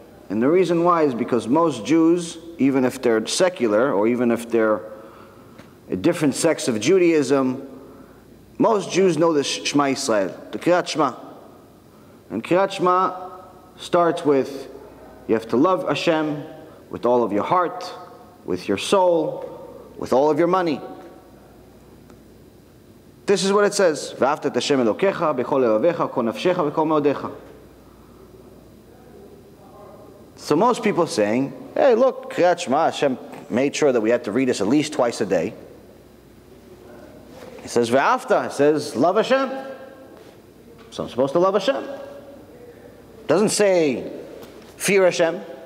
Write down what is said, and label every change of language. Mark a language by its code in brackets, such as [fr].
[en] And the reason why is because most Jews, even if they're secular, or even if they're a different sect of Judaism, most Jews know the Shema Yisrael, the Kirat Shema. And Kirat Shema starts with, you have to love Hashem with all of your heart, with your soul, with all of your money. This is what it says, [he] ואהבת את השם אלוקיך בכל לבביך, כל נפשך וכל מאודיך. [en] So most people saying, hey, look, Kriyat Shema, Hashem made sure that we had to read this at least twice a day. It says, ואהבת, it says, love Hashem. So I'm supposed to love Hashem. Doesn't say, fear Hashem.